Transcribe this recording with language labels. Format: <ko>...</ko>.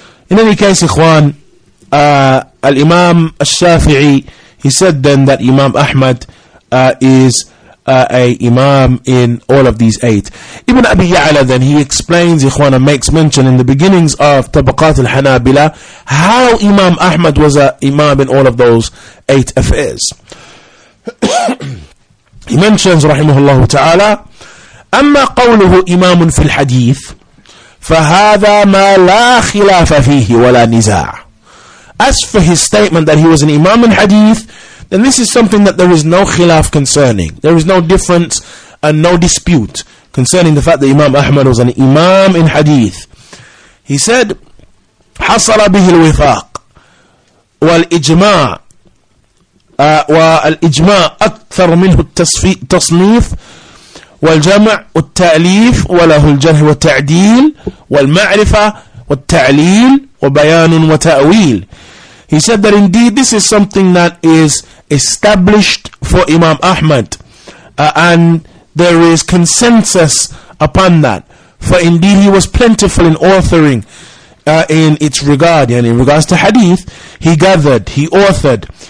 <en>In any case, Ikhwan, Al-Imam al-Shafi'i, he said then that Imam Ahmad is a Imam in all of these eight. Ibn Abi Ya'la then, he explains, Ikhwan, and makes mention in the beginnings of Tabaqat al-Hanabila, how Imam Ahmad was an Imam in all of those eight affairs. He mentions, rahimahullah ta'ala,</en> <ar>أَمَّا قَوْلُهُ إِمَامٌ فِي الْحَدِيثِ فَهَذَا مَا لَا خِلَافَ فِيهِ وَلَا نِزَاعَ.</ar> <en>As for his statement that he was an Imam in Hadith, then this is something that there is no khilaf concerning. There is no difference and no dispute concerning the fact that Imam Ahmad was an Imam in Hadith. He said,</en> <ar>حَصَلَ بِهِ الْوِفَاقِ وَالْإِجْمَاعِ والإجماع أكثر منه التصنيف والجمع والتأليف وله الجرح والتعديل والمعرفة والتعليل وبيان وتأويل.</ar> <en>He said that indeed this is something that is established for Imam Ahmad, and there is consensus upon that. For indeed he was plentiful in authoring in its regard, and in regards to Hadith, he gathered, he authored.</en>